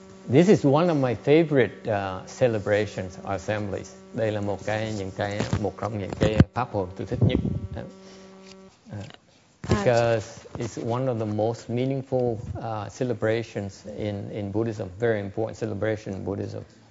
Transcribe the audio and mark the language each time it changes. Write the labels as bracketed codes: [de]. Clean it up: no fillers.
[en] This is one of my favorite celebrations or assemblies. [vi] Đây là một cái những cái một trong những cái pháp hội tôi thích nhất. [en] Because it's one of the most meaningful celebrations in Buddhism. Very important celebration in Buddhism.